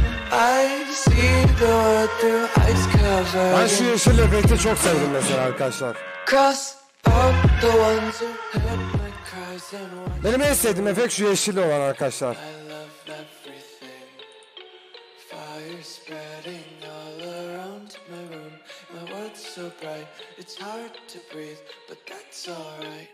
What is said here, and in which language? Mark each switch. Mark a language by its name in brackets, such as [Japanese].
[English] I see the world through ice covered. [Turkish] Ben şu yeşil efekti çok sevdim mesela arkadaşlar. [English] Cross out the ones who heard my cries and watched. [Turkish] Benim en sevdiğim efekt şu yeşil olan arkadaşlar. [English] I loved everything. Fire spreading all around my room. My world's so bright. It's hard to breathe, but that's alright.